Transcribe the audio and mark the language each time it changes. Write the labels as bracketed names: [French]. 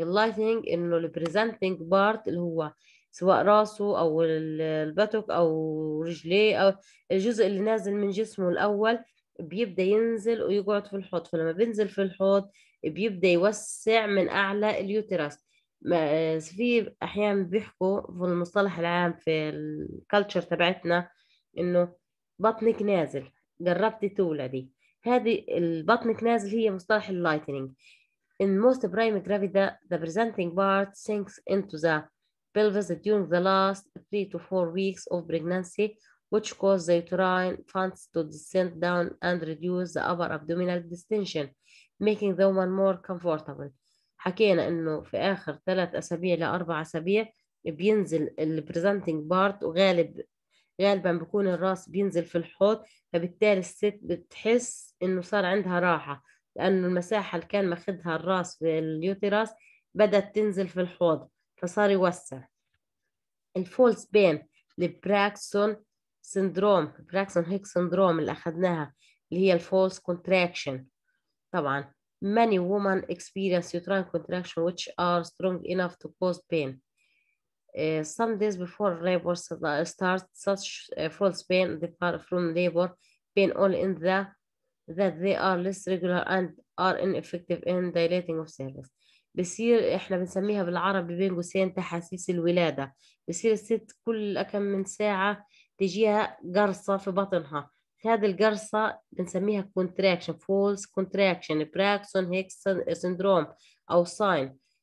[Arabic] اللايتنينج انه البريزنتنج بارت اللي هو سواء راسه او البتوك او رجليه او الجزء اللي نازل من جسمه الاول بيبدا ينزل ويقعد في الحوض، فلما بينزل في الحوض بيبدا يوسع من اعلى اليوتراس. ما في احيانا بيحكوا في المصطلح العام في الكالتشر تبعتنا انه بطنك نازل، جربت تولدي. هذه البطنك نازل هي مصطلح اللايتنينج. [English] In most prime gravida the presenting part sinks into the pelvis during the last 3 to 4 weeks of pregnancy which cause the uterine fonts to descend down and reduce the upper abdominal distension making the woman more comfortable. [Arabic] حكينا انه في اخر 3 اسابيع لـ4 اسابيع بينزل البريزنتنج بارت، وغالبا بكون الراس بينزل في الحوض، فبالتالي الست بتحس انه صار عندها راحه لانه المساحه اللي كان ماخذها الراس في اليوتراس بدات تنزل في الحوض فصار يوسع. الفولس بين البراكسون سندروم، براكسون هيك سندروم اللي اخذناها اللي هي الفولس كونتراكشن. طبعا [English] Many women experience uterine contractions which are strong enough to cause pain. Some days before labor starts, such false pain differ from labor pain only in that they are less regular and are ineffective in dilating of cervix. [Arabic] بصير احنا بنسميها بالعربي بين قوسين تحاسيس الولادة، بصير الست كل كم من ساعة تجيها قرصة في بطنها. هذه القرصة بنسميها contraction، false contraction، براكسون هيكس سندروم أو ساين.